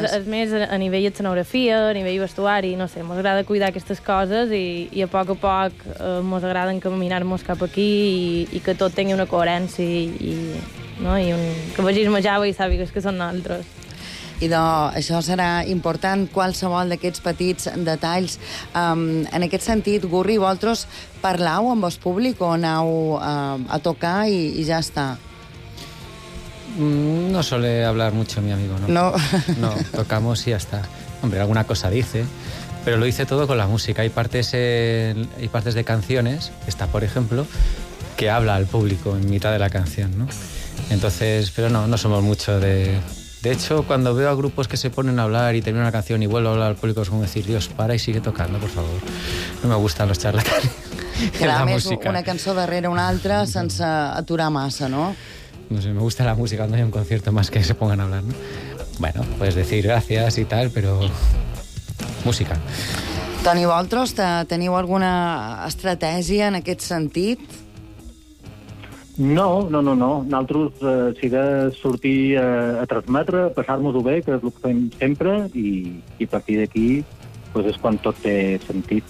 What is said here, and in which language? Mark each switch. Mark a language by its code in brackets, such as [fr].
[ca] No, és més a nivell escenografia, a nivell vestuari, no sé, mos agrada cuidar aquestes coses i a poc mos agrada encaminar-mos cap aquí i que tot tingui una coherència i, no, i que vagis majava i sàpigues que són altres. Idò, això serà important, qualsevol d'aquests petits detalls. En aquest sentit, Gurri, vosaltres parlau amb el públic o aneu a tocar i ja està? [es] No suele hablar mucho mi amigo, ¿no? No. No, tocamos y ya está. Hombre, alguna cosa dice, pero lo hice todo con la música. Hay partes de canciones, esta por ejemplo, que habla al público en mitad de la canción, ¿no? Entonces, pero no somos mucho de... De hecho, cuando veo a grupos que se ponen a hablar y terminan una canción y vuelvo a hablar al público, es como decir, Dios, para y sigue tocando, por favor. No me gustan los charlatanes. [ca] Clar, la música. Una cançó darrere una altra sense aturar massa, [es] ¿no? No sé, me gusta la música cuando hay un concierto más que se pongan a hablar, ¿no? Bueno, puedes decir gracias y tal, pero música. [ca] Toni, vosaltres teniu alguna estratègia en aquest sentit? No. Nosaltres si de sortir a transmetre, passar-nos-ho bé, que és el que fem sempre, i a partir d'aquí pues és quan tot té sentit.